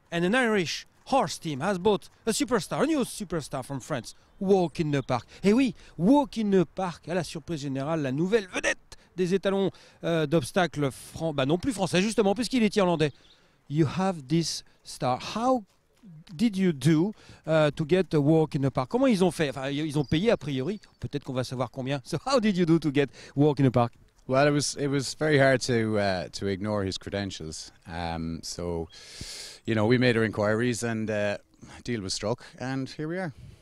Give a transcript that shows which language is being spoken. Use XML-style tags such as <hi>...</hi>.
<en>And an Irish horse team has bought a superstar, a new superstar from France, Walk in the Park.</en> <fr>Et oui, Walk in the Park, à la surprise générale, la nouvelle vedette des étalons d'obstacles, non plus français justement, puisqu'il est irlandais.</fr> <en>You have this star. How did you do to get a Walk in the Park?</en> <fr>Comment ils ont fait? Enfin, ils ont payé a priori, peut-être qu'on va savoir combien.</fr> <en>So how did you do to get Walk in the Park? Well, it was very hard to ignore his credentials. So, you know, we made our inquiries and a deal was struck and here we are.</en>